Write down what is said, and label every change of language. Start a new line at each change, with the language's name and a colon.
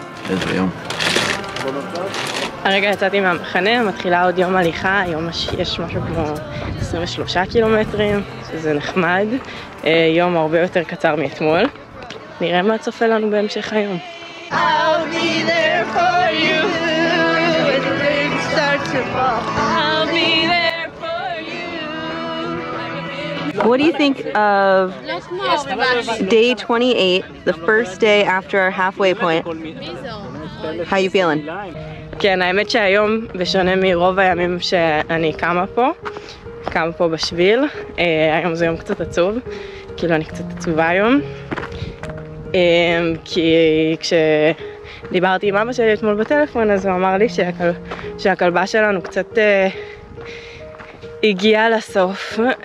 Hebrew: איזה יום. הרגע יצאתי מהמחנה, מתחילה עוד יום הליכה, היום יש משהו כמו 23 קילומטרים, שזה נחמד. יום הרבה יותר קצר מאתמול. נראה מה צופה לנו בהמשך היום.
English: I'll be there for you when things start to fall. I'll be there for you. What do you think of day 28, the first day after our halfway point? How you feeling?
Hebrew: כן, האמת שהיום, בשונה מרוב הימים שאני קמה פה בשביל, היום זה יום קצת עצוב, כאילו אני קצת עצובה היום. כי כשדיברתי עם אבא שלי אתמול בטלפון, אז הוא אמר לי שהכלבה שלנו קצת הגיעה לסוף.